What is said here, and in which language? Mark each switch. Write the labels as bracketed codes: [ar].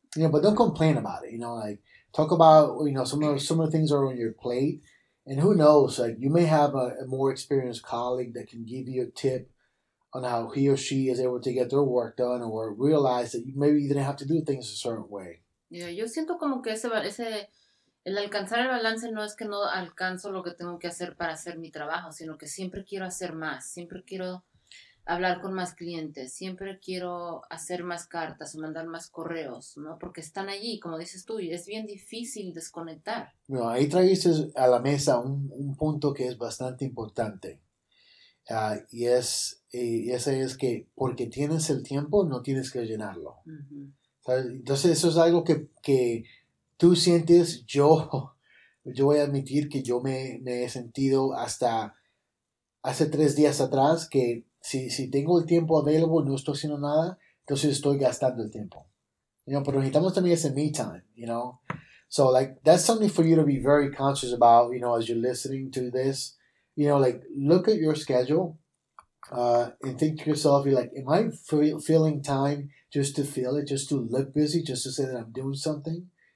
[en] You know, but don't complain about it. You know, like, talk about, you know, some of the things are on your plate. And who knows, like, you may have a more experienced colleague that can give you a tip on how he or she is able to get their work done or realize that maybe you didn't have to do things a certain way. [es] Yeah, yo siento como que el alcanzar el balance no es que no alcanzo lo que tengo que hacer para hacer mi trabajo, sino que siempre quiero hacer más, siempre quiero hablar con más clientes, siempre quiero hacer más cartas o mandar más correos, ¿no? Porque están allí, como dices tú, y es bien difícil desconectar. Bueno, ahí trajiste a la mesa un punto que es bastante importante. Y ese es que porque tienes el tiempo, no tienes que llenarlo. Uh-huh. Entonces, eso es algo que tú sientes, yo voy a admitir que yo me he sentido hasta hace 3 días atrás que si tengo el tiempo [en] available, [es] no estoy haciendo nada, entonces estoy gastando el tiempo. [en] You know, [es] pero necesitamos también ese [en] me time, you know. So, like, that's something for you to be very conscious about, you know, as you're listening to this. You know, like, look at your schedule and think to yourself, you're like, am I feeling time just to feel it, just to look busy, just to say that I'm doing something?